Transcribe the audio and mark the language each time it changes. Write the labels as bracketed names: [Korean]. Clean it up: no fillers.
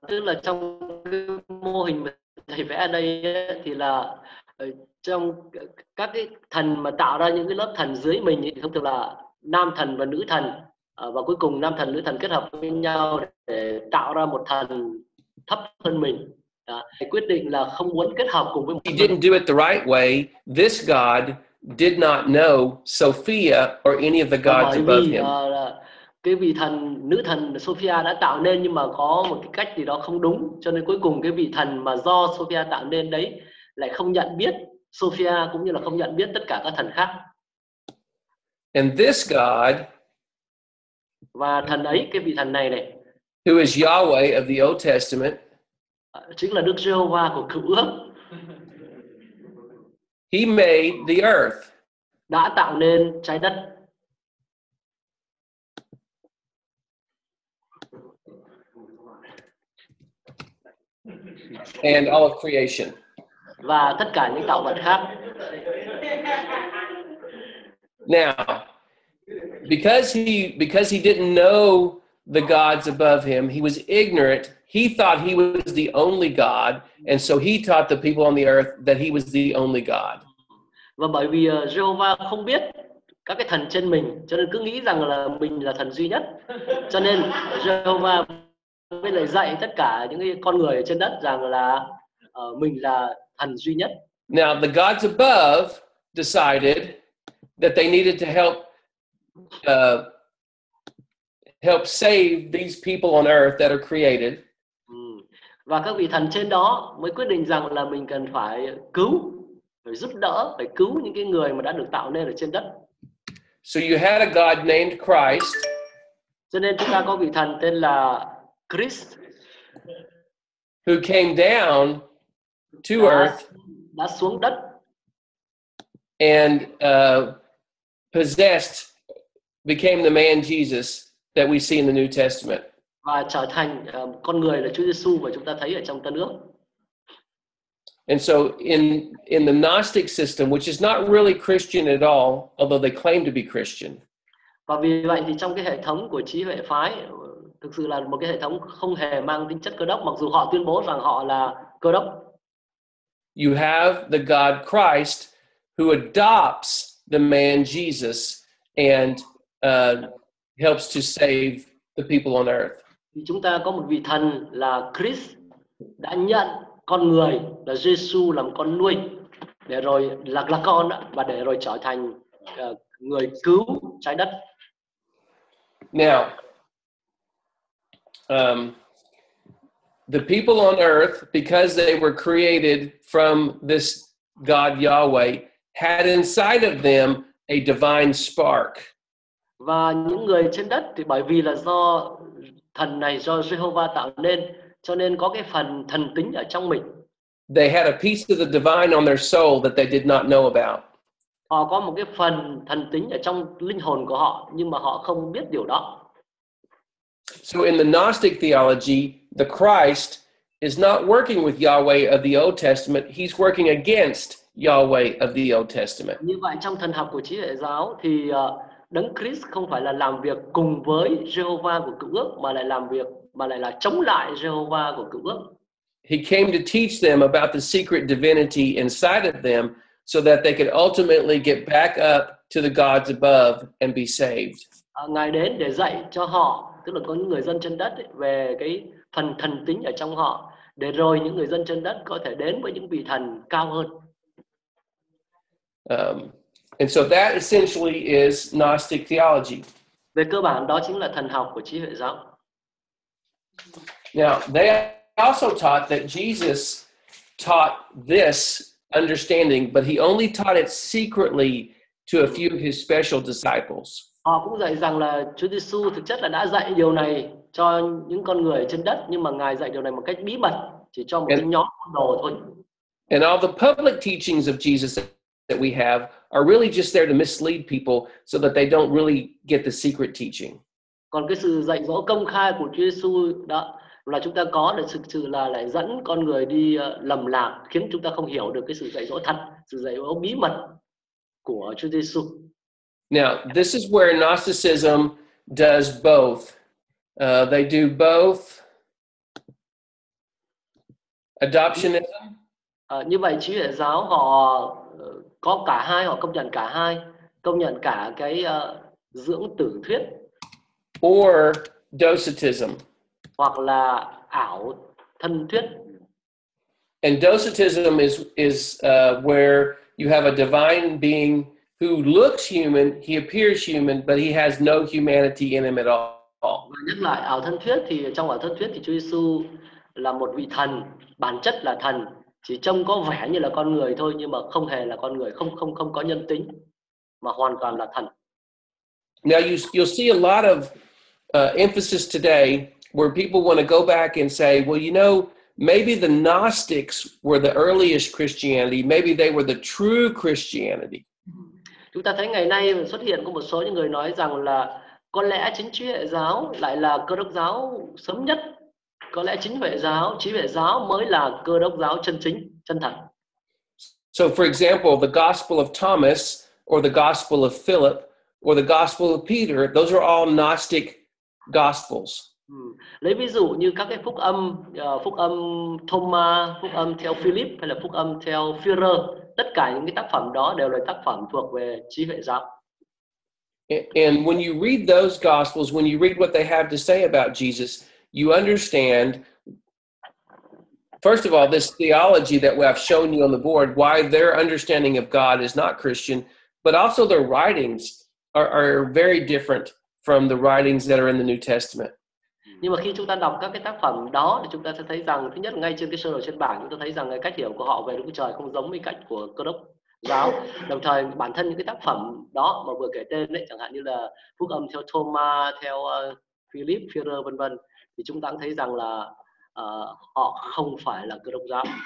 [Vietnamese] Tức là trong cái mô hình mà thầy vẽ ở đây ấy, thì là trong các cái thần mà tạo ra những cái lớp thần dưới mình thì thông thường là nam thần và nữ thần, và cuối cùng nam thần nữ thần kết hợp với nhau để tạo ra một thần thấp hơn mình. Thầy quyết định là không muốn kết hợp cùng với. [English] He didn't do it the right way. This god did not know Sophia or any of the gods above him. [Vietnamese] Cái vị thần nữ thần Sophia đã tạo nên nhưng mà có một cái cách gì đó không đúng, cho nên cuối cùng cái vị thần mà do Sophia tạo nên đấy lại không nhận biết Sophia cũng như là không nhận biết tất cả các thần khác. [English] And this god, [Vietnamese] và thần ấy, cái vị thần này này, [English] who is Yahweh of the Old Testament, [Vietnamese] chính là Đức Giê-hô-va của Cựu Ước. [English] He made the earth. [Vietnamese] Đã tạo nên trái đất. [English] Okay. and all of creation. [Vietnamese] Và tất cả những tạo vật khác. [English] Now, because he didn't know the gods above him, he was ignorant. He thought he was the only God, and so he taught the people on the earth that he was the only God. [Vietnamese] Và bởi vì Jehovah không biết các cái thần trên mình, cho nên cứ nghĩ rằng là mình là thần duy nhất. Cho nên Jehovah mới lại dạy tất cả những cái con người trên đất rằng là mình là thần duy nhất. [English] Now the gods above decided that they needed to help save these people on earth that are created. [Vietnamese] Và các vị thần trên đó mới quyết định rằng là mình cần phải cứu, phải giúp đỡ, phải cứu những cái người mà đã được tạo nên ở trên đất. [English] So you had a God named Christ. [Vietnamese] Cho nên chúng ta có vị thần tên là Christ, [English] who came down to earth, [Vietnamese] đã xuống đất, [English] and possessed, became the man Jesus that we see in the New Testament. [Vietnamese] Và trở thành con người là Chúa Giêsu mà chúng ta thấy ở trong Tân Ước. [English] And so in the Gnostic system, which is not really Christian at all, although they claim to be Christian. [Vietnamese] Và vì vậy thì trong cái hệ thống của trí huệ phái, thực sự là một cái hệ thống không hề mang tính chất Cơ Đốc, mặc dù họ tuyên bố rằng họ là Cơ Đốc. [English] You have the God Christ who adopts the man Jesus and helps to save the people on earth. [Vietnamese] Chúng ta có một vị thần là Christ đã nhận con người là Giêsu làm con nuôi để rồi là con và để rồi trở thành người cứu trái đất. [English] Now, the people on earth, because they were created from this God Yahweh, had inside of them a divine spark. [Vietnamese] Và những người trên đất thì bởi vì là do thần này do Jehovah tạo nên, cho nên có cái phần thần tính ở trong mình. [English] They had a piece of the divine on their soul that they did not know about. [Vietnamese] Họ có một cái phần thần tính ở trong linh hồn của họ, nhưng mà họ không biết điều đó. [English] So in the Gnostic theology, the Christ is not working with Yahweh of the Old Testament, he's working against Yahweh of the Old Testament. [Vietnamese] Như vậy trong thần học của trí hệ giáo thì Đấng Christ không phải là làm việc cùng với Jehovah của Cựu Ước mà lại làm việc mà lại là chống lại Jehovah của Cựu Ước. [English] He came to teach them about the secret divinity inside of them so that they could ultimately get back up to the gods above and be saved. [Vietnamese] Ngài đến để dạy cho họ, tức là có những người dân trên đất ấy, về cái phần thần tính ở trong họ để rồi những người dân trên đất có thể đến với những vị thần cao hơn. [English] And so that essentially is Gnostic theology. [Vietnamese] Về cơ bản đó chính là thần học của trí huệ giáo. [English] Now, they also taught that Jesus taught this understanding, but he only taught it secretly to a few of his special disciples. [Vietnamese] Họ cũng dạy rằng là Chúa Giêsu thực chất là đã dạy điều này cho những con người trên đất, nhưng mà Ngài dạy điều này một cách bí mật, chỉ cho một cái nhóm môn đồ thôi. [English] And all the public teachings of Jesus that we have are really just there to mislead people so that they don't really get the secret teaching. [Vietnamese] Còn cái sự dạy dỗ công khai của Chúa Giêsu đó là chúng ta có là thực sự là lại dẫn con người đi lầm lạc, khiến chúng ta không hiểu được cái sự dạy dỗ thật, sự dạy dỗ bí mật của Chúa Giêsu. [English] Now, this is where Gnosticism does both. They do both adoptionism. [Vietnamese] Như vậy trí hệ giáo họ có cả hai, họ công nhận cả hai, công nhận cả cái dưỡng tử thuyết [English] or docetism, [Vietnamese] hoặc là ảo thân thuyết. [English] And docetism is where you have a divine being who looks human, he appears human, but he has no humanity in him at all. [Vietnamese] Và nhắc lại ảo thân thuyết thì trong ảo thân thuyết thì Chúa Giêsu là một vị thần, bản chất là thần, chỉ trông có vẻ như là con người thôi, nhưng mà không hề là con người, không có nhân tính, mà hoàn toàn là thần. [English] Now you'll see a lot of emphasis today where people want to go back and say, well, you know, maybe the Gnostics were the earliest Christianity, maybe they were the true Christianity. [Vietnamese] Chúng ta thấy ngày nay xuất hiện có một số những người nói rằng là có lẽ chính trí hệ giáo lại là Cơ Đốc giáo sớm nhất, Có lẽ chính vệ giáo mới là cơ đốc giáo chân chính, chân thật. [English] So for example, the gospel of Thomas or the gospel of Philip or the gospel of Peter, those are all Gnostic gospels. [Vietnamese] Lấy ví dụ như các cái phúc âm Thomas, phúc âm theo Philip hay là phúc âm theo Führer, tất cả những cái tác phẩm đó đều là tác phẩm thuộc về chí vệ giáo. [English] And when you read those gospels, when you read what they have to say about Jesus, you understand, first of all, this theology that I've shown you on the board, why their understanding of God is not Christian, but also their writings are very different from the writings that are in the New Testament. [Vietnamese] Nhưng mà khi chúng ta đọc các cái tác phẩm đó thì chúng ta sẽ thấy rằng, thứ nhất, ngay trên cái sơ đồ trên bảng chúng ta thấy rằng cái cách hiểu của họ về Đức Chúa Trời không giống với cách của Cơ Đốc giáo. Đồng thời bản thân những cái tác phẩm đó mà vừa kể tên ấy, chẳng hạn như là phúc âm theo Thomas, theo Philip, Führer vân vân, thì chúng ta cũng thấy rằng là họ không phải là Cơ Đốc giáo.